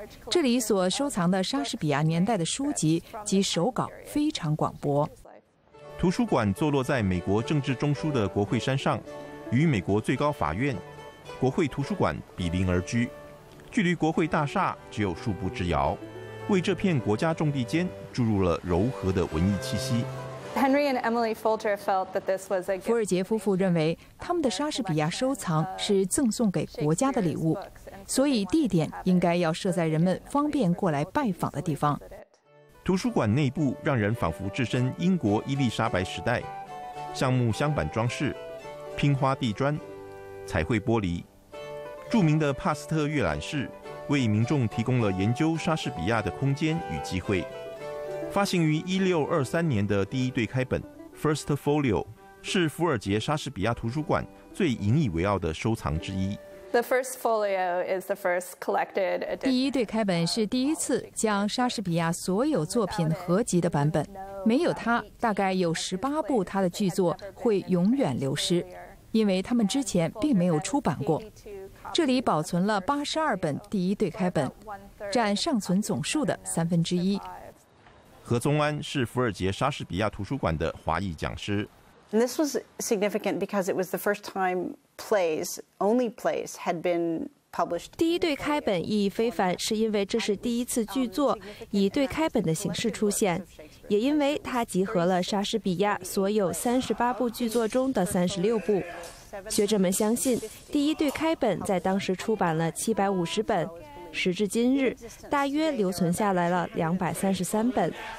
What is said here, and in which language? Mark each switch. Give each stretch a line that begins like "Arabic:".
Chinese: 这里所收藏的莎士比亚年代的书籍及手稿非常广博。图书馆坐落在美国政治中枢的国会山上，与美国最高法院、国会图书馆比邻而居，距离国会大厦只有数步之遥，为这片国家重地间注入了柔和的文艺气息。
English: Henry and Emily Folger felt that this was a gift.
Chinese: 伏尔杰夫妇认为他们的莎士比亚收藏是赠送给国家的礼物，所以地点应该要设在人们方便过来拜访的地方。图书馆内部让人仿佛置身英国伊丽莎白时代，橡木镶板装饰、拼花地砖、彩绘玻璃。著名的帕斯特阅览室为民众提供了研究莎士比亚的空间与机会。发行于1623年的第一对开本 First Folio 是伏尔杰莎士比亚图书馆最引以为傲的收藏之一。
English: The First Folio is the first collected edition.
Chinese: 第一对开本是第一次将莎士比亚所有作品合集的版本，没有它，大概有18部他的剧作会永远流失，因为他们之前并没有出版过。这里保存了82本第一对开本，占尚存总数的1/3。何宗安是伏尔杰莎士比亚图书馆的华裔讲师。
English: This was significant because it was the first time plays, only plays, had been published.
Chinese: 第一对开本意义非凡，是因为这是第一次剧作以对开本的形式出现，也因为它集合了莎士比亚所有38部剧作中的36部。学者们相信，第一对开本在当时出版了750本，时至今日，大约留存下来了233本。